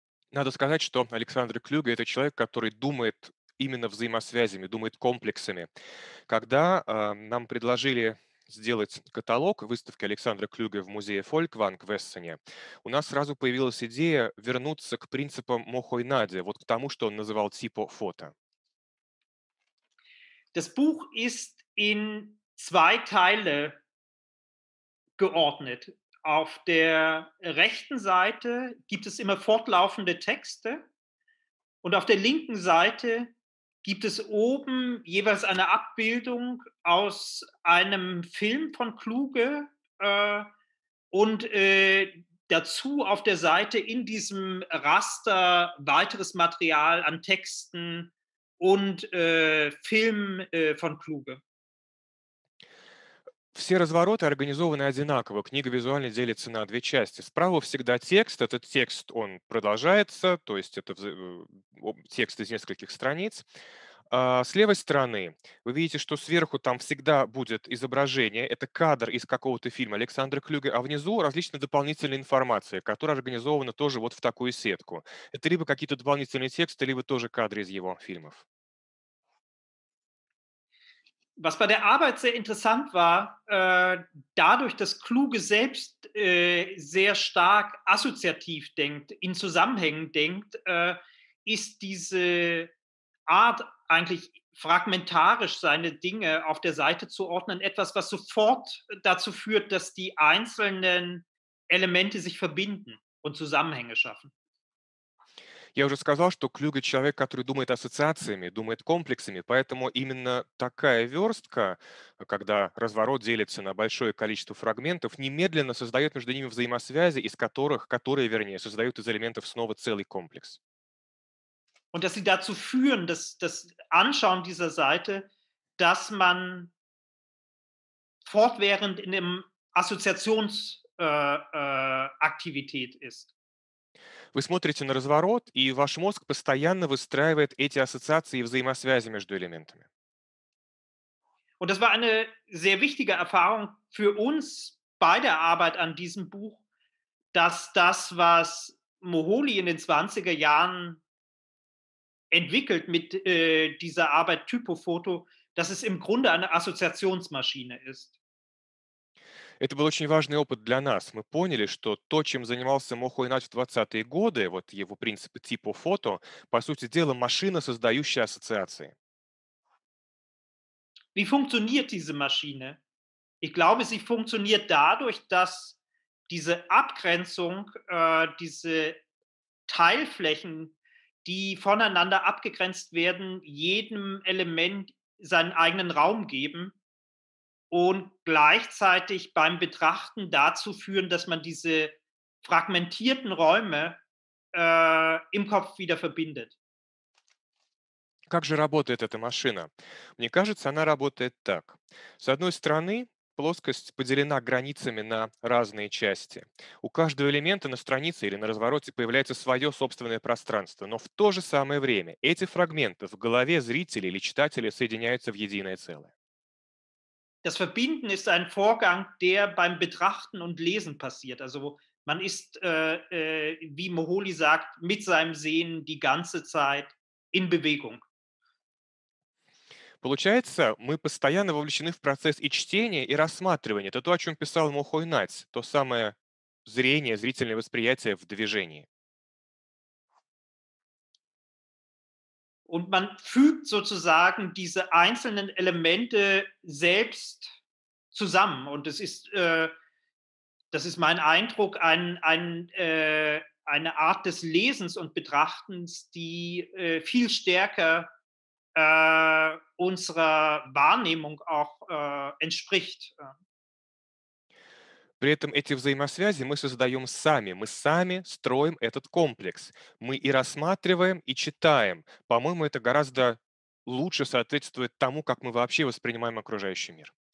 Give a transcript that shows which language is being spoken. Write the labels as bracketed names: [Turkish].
[Russian] Надо сказать, что Александр Клюге – это человек, который думает именно взаимосвязями, думает комплексами. Когда нам предложили сделать каталог выставки Александра Клюге в музее Фолькванг в Эссене, у нас сразу появилась идея вернуться к принципам Мохойнаде, вот к тому, что он называл типа фото. [German] Das Buch ist in zwei Teile geordnet. Auf der rechten Seite gibt es immer fortlaufende Texte und auf der linken Seite gibt es oben jeweils eine Abbildung aus einem Film von Kluge und dazu auf der Seite in diesem Raster weiteres Material an Texten und Film von Kluge. [Russian] Все развороты организованы одинаково. Книга визуально делится на две части. Справа всегда текст. Этот текст, он продолжается, то есть это текст из нескольких страниц. С левой стороны вы видите, что сверху там всегда будет изображение. Это кадр из какого-то фильма Александра Клюге, а внизу различная дополнительная информация, которая организована тоже вот в такую сетку. Это либо какие-то дополнительные тексты, либо тоже кадры из его фильмов. [German] Was bei der Arbeit sehr interessant war, dadurch, dass Kluge selbst sehr stark assoziativ denkt, in Zusammenhängen denkt, ist diese Art, eigentlich fragmentarisch seine Dinge auf der Seite zu ordnen, etwas, was sofort dazu führt, dass die einzelnen Elemente sich verbinden und Zusammenhänge schaffen. [Russian] Я уже сказал, что Клюге человек, который думает ассоциациями, думает комплексами, поэтому именно такая верстка, когда разворот делится на большое количество фрагментов, немедленно создает между ними взаимосвязи, из которых, которые, вернее, создают из элементов снова целый комплекс. [German] Und dass sie dazu führen, dass das Anschauen dieser Seite, dass man fortwährend in einem Assoziationsaktivität ist. [Russian] Вы смотрите на разворот, и ваш мозг постоянно выстраивает эти ассоциации и взаимосвязи между элементами. [German] Und das war eine sehr wichtige Erfahrung für uns bei der Arbeit an diesem Buch, dass das, was Moholy in den 20er Jahren entwickelt mit dieser Arbeit Typofoto, dass es im Grunde eine Assoziationsmaschine ist. [Russian] Это был очень важный опыт для нас. Мы поняли, что то, чем занимался Мохо Инат в 20-е годы, вот его принципы типа фото, по сути дела, машина, создающая ассоциации. [German] Wie funktioniert diese Maschine? Ich glaube, sie funktioniert dadurch, dass diese Abgrenzung, diese Teilflächen, die voneinander abgegrenzt werden, jedem Element seinen eigenen Raum geben und gleichzeitig beim Betrachten dazu führen, dass man diese fragmentierten Räume im Kopf wieder verbindet. [Russian] Как же работает эта машина? Мне кажется, она работает так. С одной стороны, плоскость поделена границами на разные части. У каждого элемента на странице или на развороте появляется свое собственное пространство. Но в то же самое время эти фрагменты в голове зрителя или читателя соединяются в единое целое. [German] Das Verbinden ist ein Vorgang, der beim Betrachten und Lesen passiert. Also man ist, wie Moholy sagt, mit seinem Sehen die ganze Zeit in Bewegung. [Russian] Получается, мы постоянно вовлечены в процесс и чтения, и рассматривания. Это то, о чем писал Мохо Инат, то самое зрение, зрительное восприятие в движении. [German] Und man fügt sozusagen diese einzelnen Elemente selbst zusammen. Und es ist, das ist mein Eindruck, eine Art des Lesens und Betrachtens, die viel stärker unserer Wahrnehmung auch entspricht. [Russian] При этом эти взаимосвязи мы создаем сами. Мы сами строим этот комплекс. Мы и рассматриваем, и читаем. По-моему, это гораздо лучше соответствует тому, как мы вообще воспринимаем окружающий мир.